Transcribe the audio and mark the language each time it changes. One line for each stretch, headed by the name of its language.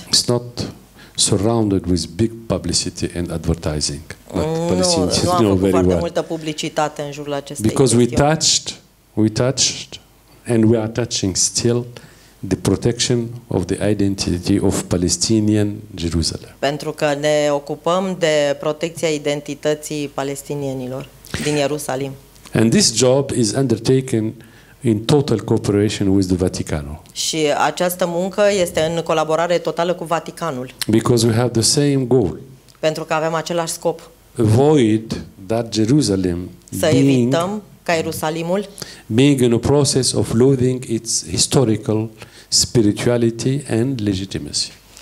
English: It's not surrounded with big publicity and advertising.
Romanian: Nu a făcut foarte multă publicitate în jurul acestei.
English: Because we touched and we are touching still the protection of the identity of Palestinian Jerusalem.
Romanian: Pentru că ne ocupăm de protecția identității palestinienilor din Ierusalim.
English: And this job is undertaken in total cooperation with the Vatican.
Romanian: Și această muncă este în colaborare totală cu Vaticanul.
English: Because we have the same goal.
Romanian: Pentru că avem același scop.
English: Avoid that Jerusalem.
Romanian: Să evităm ca Ierusalimul.
English: Being in a process of losing its historical spirituality and legitimacy.